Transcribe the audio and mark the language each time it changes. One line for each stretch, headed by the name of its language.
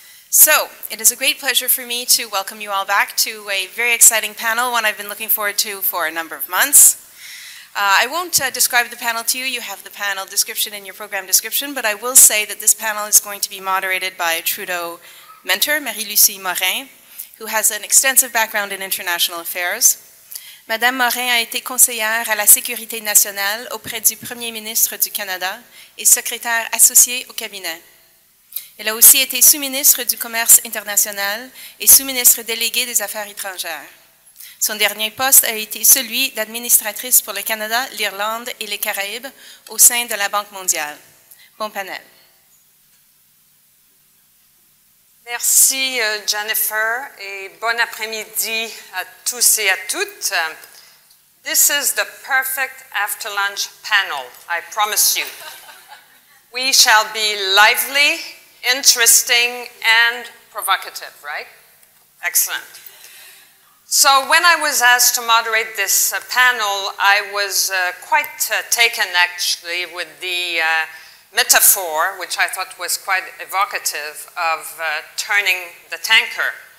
English: So, it is a great pleasure for me to welcome you all back to a very exciting panel, one I've been looking forward to for a number of months. I won't describe the panel to you. You have the panel description in your program description, but I will say that this panel is going to be moderated by a Trudeau mentor, Marie-Lucie Morin, who has an extensive background in international affairs.
French: Madame Morin a été conseillère à la sécurité nationale auprès du Premier ministre du Canada et secrétaire associée au cabinet. Elle a aussi été sous-ministre du commerce international et sous-ministre déléguée des affaires étrangères. Son dernier poste a été celui d'administratrice pour le Canada, l'Irlande et les Caraïbes au sein de la Banque mondiale. Bon panel. Merci Jennifer et bon après-midi à tous et à toutes.
English: This is the perfect after-lunch panel, I promise you. We shall be lively, interesting and provocative, right? Excellent. So when I was asked to moderate this panel, I was quite taken actually with the metaphor, which I thought was quite evocative, of turning the tanker.